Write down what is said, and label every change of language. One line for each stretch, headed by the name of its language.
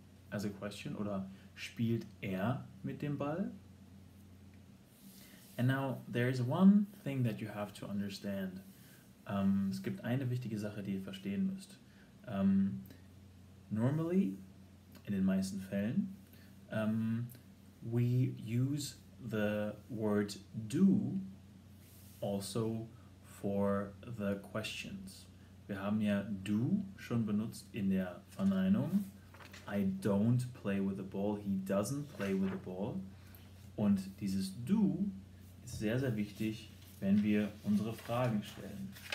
English: As a question,
German: oder spielt er mit dem Ball?
English: And now, there is one thing that you have to understand.
German: Es gibt eine wichtige Sache, die ihr verstehen müsst.
English: Normally,
German: in den meisten Fällen,
English: we use the word do also for the questions.
German: Wir haben ja do schon benutzt in der Verneinung.
English: I don't play with the ball, he doesn't play with the ball.
German: Und dieses do ist sehr, sehr wichtig, wenn wir unsere Fragen stellen.